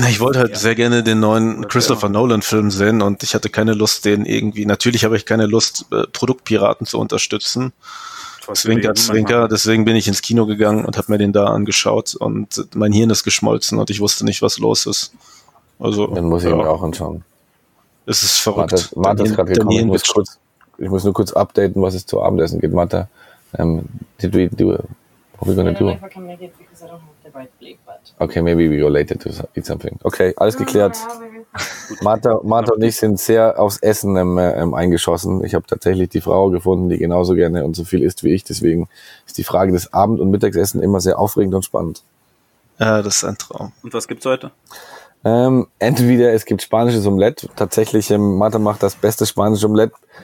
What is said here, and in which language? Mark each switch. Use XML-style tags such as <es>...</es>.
<de>Na, ich wollte halt sehr gerne den neuen Christopher Nolan-Film sehen und ich hatte keine Lust, den irgendwie, natürlich habe ich keine Lust, Produktpiraten zu unterstützen. Zwinker, zwinker. Deswegen bin ich ins Kino gegangen und habe mir den da angeschaut und mein Hirn ist geschmolzen und ich wusste nicht, was los ist. Also, den muss ich mir auch anschauen. Es ist verrückt. Warte, ist gerade gekommen. Ich muss nur kurz updaten, was es zu Abendessen gibt.</de> <en>Marta, did we do it? What are we going to do? I don't know if I can make it because I don't have the right plate, but... Okay, maybe we related to eat something.</en> <de>Okay, alles geklärt. Marta und ich sind sehr aufs Essen eingeschossen. Ich habe tatsächlich die Frau gefunden, die genauso gerne und so viel isst wie ich. Deswegen ist die Frage des Abend- und Mittagessen immer sehr aufregend und spannend. Ja, das ist ein Traum. Und was gibt's heute? Entweder es gibt spanisches Omelette. Tatsächlich, Marta macht das beste spanische Omelette.</de>